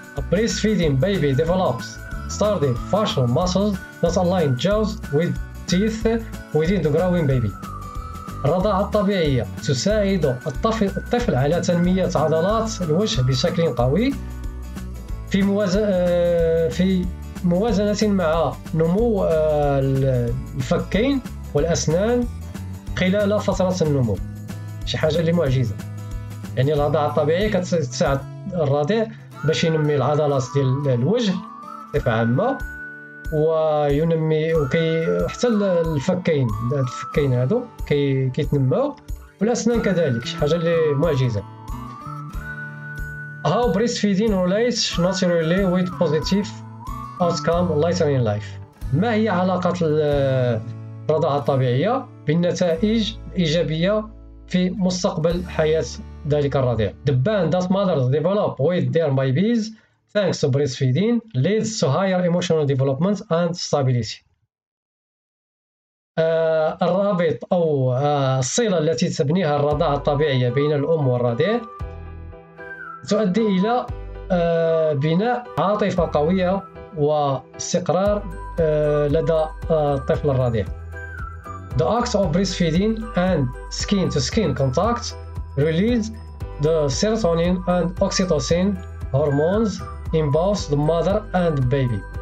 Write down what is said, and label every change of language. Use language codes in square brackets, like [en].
[en] Breastfeeding baby develops sturdy facial muscles that align jaws with teeth within the growing baby. [ar] الرضاعة الطبيعية تساعد الطفل على تنمية عضلات الوجه بشكل قوي في موازنة مع نمو الفكين والأسنان خلال فترة النمو. شي حاجة اللي معجزة، يعني الرضاعة الطبيعية كتساعد الرضع باش ينمي العضلات ديال الوجه بصفة عامة وينمي وحتى الفكين هادو كيتنموا والأسنان كذلك، شي حاجة اللي معجزة. [en] How breastfeeding relates naturally with positive outcome later in life. [ar] ما هي علاقة الرضاعة الطبيعية بالنتائج الإيجابية في مستقبل حياة ذلك الرضيع؟ [en] The band that mothers develop with their babies thanks to breastfeeding leads to higher emotional development and stability. [ar] الرابط أو الصلة التي تبنيها الرضاعة الطبيعية بين الأم والرضيع تؤدي إلى بناء عاطفة قوية واستقرار لدى الطفل الرضيع. [en] The act of breastfeeding and skin-to-skin contact release the serotonin and oxytocin hormones in both the mother and the baby.